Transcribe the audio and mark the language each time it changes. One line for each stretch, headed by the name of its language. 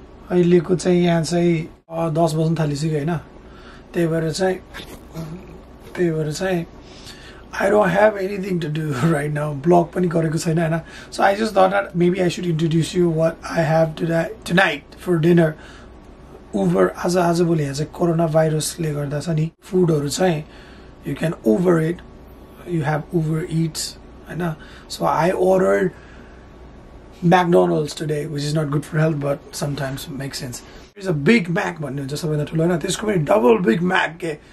Nepali: अहिले को चाहिँ यहाँ चाहिँ 10 बज्न थालिसक्यो हैन. त्यही भएर चाहिँ
English: I don't have anything to do right now.
Nepali: Blog पनि गरेको छैन हैन.
English: So I just thought that maybe I should introduce you what I have today tonight for dinner.
Nepali: Uber आज भोलि आज coronavirus ले गर्दा छ नि. Foodहरु चाहिँ
English: you can Uber it. You have Uber Eats
Nepali: हैन.
English: So I ordered McDonald's today, which is not good for health, but sometimes makes sense. It's a Big Mac, but no, just something that you learn. This could be double Big Mac.